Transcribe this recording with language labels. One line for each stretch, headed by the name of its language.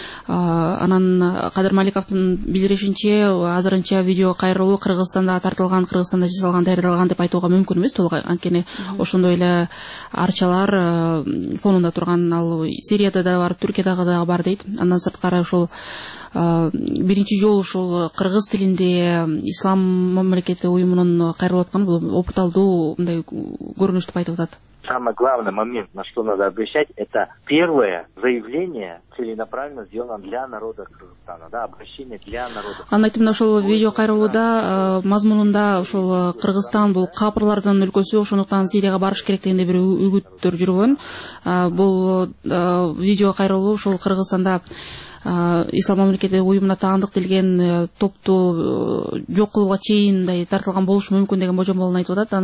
Kyrgyz: Анан Кадыр Маликовдун билдиришинче, азырынча видео кайрылуу Кыргызстанда тартылган, Кыргызстанда жасалган, даярдалган деп айтууга мүмкүн эмес толугу, анткени ошондой эле арчалар фонунда турган. Ал Сирияда да бар, Түркиядагы дагы бар дейт. Андан сырткары ушул биринчи жолу ушул кыргыз тилинде Ислам мамлекети уюмунун кайрылып аткан бул опыталдуу мындай көрүнүш деп айтып атат.
Russian: Самый главный момент, на что надо обращать, это первое заявление целенаправленно сделано для народа Кыргызстана, да, обращение для народа.
Kyrgyz: Анын айтымында ошол видео кайрылууда мазмунунда ошол Кыргызстан бул капырлардын өлкөсү, ошондуктан Сирияга барыш керек дегенде бир үгүттөр жүргөн. Бул видео кайрылуу ушул Кыргызстанда Ислам мамлекети уюмуна таандык делген топту жок кылууга чейин мындай тартылган болушу мүмкүн деген божомолун айтып атат.